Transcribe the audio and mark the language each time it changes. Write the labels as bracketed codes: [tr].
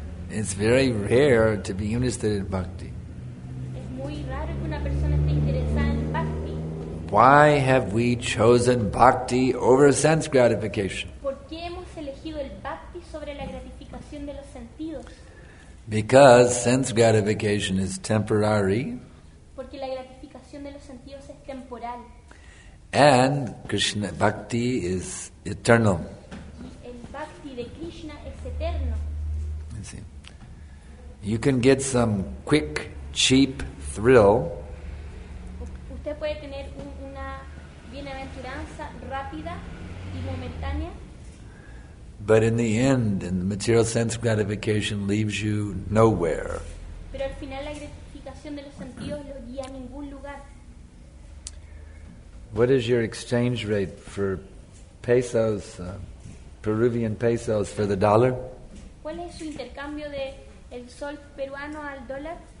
[en] It's very rare to be interested in bhakti. [es] Es muy raro que una persona esté interesada en el bhakti. [en] Why have we chosen bhakti over sense gratification? [es] ¿Por qué hemos elegido el bhakti sobre la gratificación de los sentidos? [en] Because sense gratification is temporary. [es] Porque la gratificación de los sentidos es temporal. [en] And Krishna bhakti is eternal. [es] Y el bhakti de Krishna es eterno. [en] You see. You can get some quick, cheap thrill. [es] Usted puede tener una bienaventuranza rápida y momentánea. [en] But in the end, in the material sense gratification leaves you nowhere. [es] Pero al final la gratificación de los sentidos lo guía a ningún lugar. [en] What is your exchange rate for pesos, Peruvian pesos for the dollar? [es] ¿Cuál es su intercambio de el sol peruano al dólar?